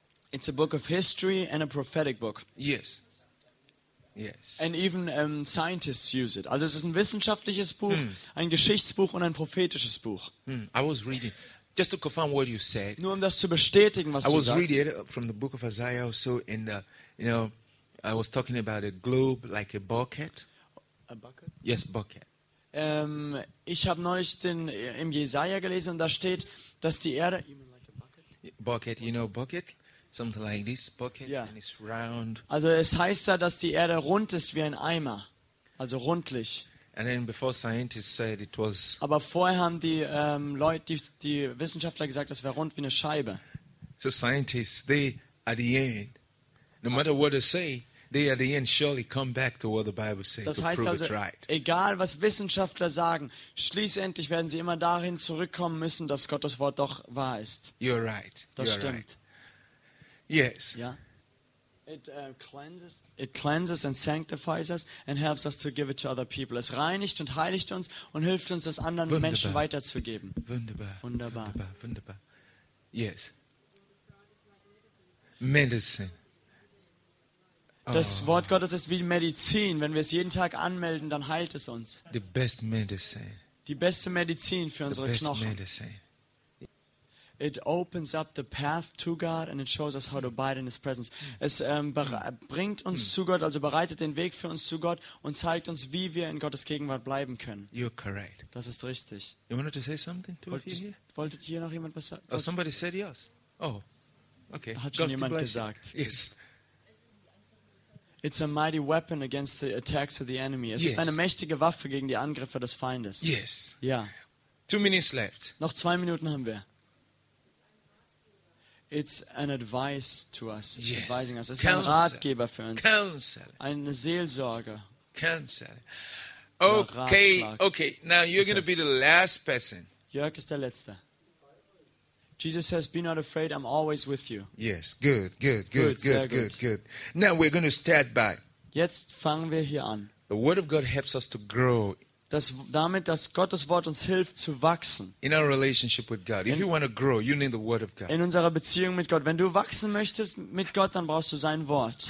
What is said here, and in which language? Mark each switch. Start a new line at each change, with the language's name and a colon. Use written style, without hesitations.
English: It's a book of history and a prophetic book. Yes. Yes. And even scientists use it.
German: Also es ist ein wissenschaftliches Buch, ein Geschichtsbuch und ein prophetisches Buch.
English: I was reading just to confirm what you said.
German: Nur um das zu bestätigen, was du sagst.
English: I was reading from the book of Isaiah also in the I was talking about a globe like a bucket. A bucket? Yes, bucket.
German: Ich habe neulich im Jesaja gelesen und da steht, dass die Erde
English: bucket, you know bucket? Something like this bucket, yeah. And it's round.
German: Also es heißt da, dass die Erde rund ist wie ein Eimer, also rundlich.
English: And then before scientists said it was.
German: Aber vorher haben die Leute, die Wissenschaftler gesagt, das wäre rund wie eine Scheibe.
English: So scientists, they at the end, no matter what they say, they at the end surely come back to what the Bible says.
German: Das heißt also, egal was Wissenschaftler sagen, schließlich werden sie immer dahin zurückkommen müssen, dass Gottes Wort doch wahr ist.
English: You're right.
German: Das stimmt.
English: Yes. Yeah. It cleanses and sanctifies us and helps us to give it to other people.
German: Es reinigt und heiligt uns und hilft uns, das anderen wunderbar. Menschen weiterzugeben. Wunderbar.
English: Yes. Medicine.
German: Das Wort Gottes ist wie Medizin. Wenn wir es jeden Tag anmelden, dann heilt es uns.
English: The best medicine.
German: Die beste Medizin für unsere
English: the best
German: Knochen.
English: Medicine. It opens up the path to God and it shows us how to abide in His presence.
German: Es bringt uns zu Gott, also bereitet den Weg für uns zu Gott und zeigt uns, wie wir in Gottes Gegenwart bleiben können.
English: You're correct.
German: Das ist richtig.
English: You wanted to say something to us here?
German: Wolltet hier noch jemand was sagen?
English: Oh, somebody said yes. Oh, okay.
German: Hat schon jemand gesagt?
English: Yes. It's a mighty weapon against the attacks of the enemy.
German: Es ist eine mächtige Waffe gegen die Angriffe des Feindes.
English: Yes. Yeah. 2 minutes left.
German: Noch 2 Minuten haben wir.
English: It's an advice to us. Yes. Advising us. It's a
German: Ratgeber für uns.
English: Counsel.
German: Eine Seelsorge.
English: Counsel. Okay. Now you're going to be the last person.
German: Jörg ist der Letzte.
English: Jesus says, "Be not afraid. I'm always with you." Yes, good, good, good, good, good, good, good. Now we're going to start by.
German: Jetzt fangen wir hier an.
English: The Word of God helps us to grow.
German: Dass Gottes Wort uns hilft zu wachsen.
English: In our relationship with God, if you want to grow, you need the Word of God.
German: In unserer Beziehung mit Gott, wenn du wachsen möchtest mit Gott, dann brauchst du sein Wort.